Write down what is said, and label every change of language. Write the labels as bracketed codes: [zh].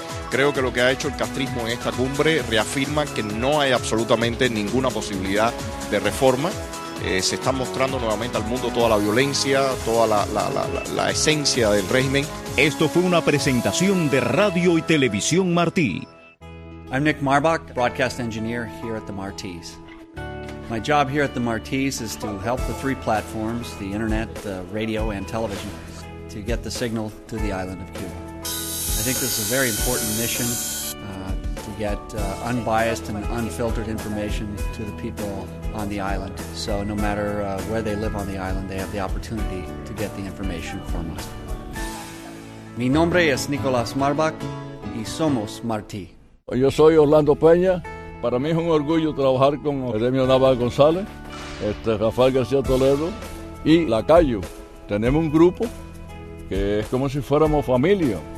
[es] Creo que lo que ha hecho el castrismo en esta cumbre reafirma que no hay absolutamente ninguna posibilidad de reforma. Se está mostrando nuevamente al mundo toda la violencia, toda la esencia del régimen. Esto fue una presentación de Radio y Televisión Martí. [en] I'm Nick Marbach, broadcast engineer here at the Martí's. My job here at the Martí's is to help the 3 platforms, the internet, the radio, and television, to get the signal to the island of Cuba. I think this is a very important mission to get unbiased and unfiltered information to the people on the island. So no matter where they live on the island, they have the opportunity to get the information from us. [es] Mi nombre es Nicolás Marbach y somos Martí. Yo soy Orlando Peña. Para mí es un orgullo trabajar con Eremio Navas González, Rafael García Toledo y Lacayo. Tenemos un grupo que es como si fuéramos familia.